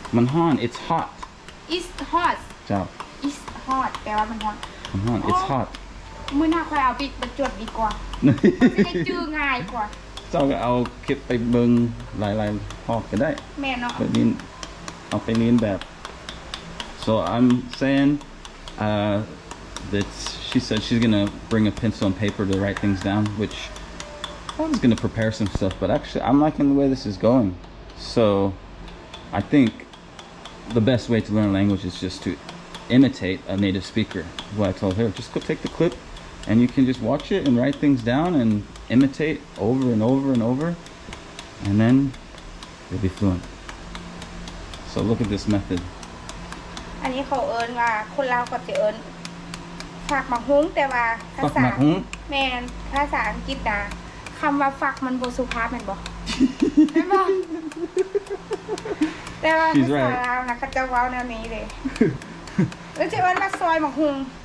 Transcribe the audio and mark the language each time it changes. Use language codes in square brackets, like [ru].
[th] มันร้อน [en] It's hot. It's hot. [th] จ้า [en] It's hot. [th] แปลว่ามัน ร้อน มันร้อน [en] It's hot. [tts] มื้อหน้าค่อยเอาไปจดดีกว่าจะได้จื้อง่ายกว่า เจ้าก็เอาคลิปไปเบิ่งหลายๆพอก็ได้ แม่เนาะ ไปนี่เอาไปนี่แบบ [en] So I'm saying that she said she's going to bring a pencil and paper to write things down which I'm going to prepare some stuff but actually I'm liking the way this is going so I think the best way to learn a language is just toimitate a native speaker who I told her just go take the clip and you can just watch it and write things down and imitate over and over and over and then you'll be fluent so look at this method [tts] อันนี้เขาเอิ้นว่าคนลาวก็สิเอิ้นฝากหมักหุ้งแต่ว่าภาษาแม่นภาษาอังกฤษน่ะคําว่าฝากมันบ่สุภาพแม่นบ่แม่นบ่แต่ว่าภาษาลาวน่ะเขาจะเว้าแนวนี้เด้แล้วจะเอิ้นว่าซอยหมักหุ้ง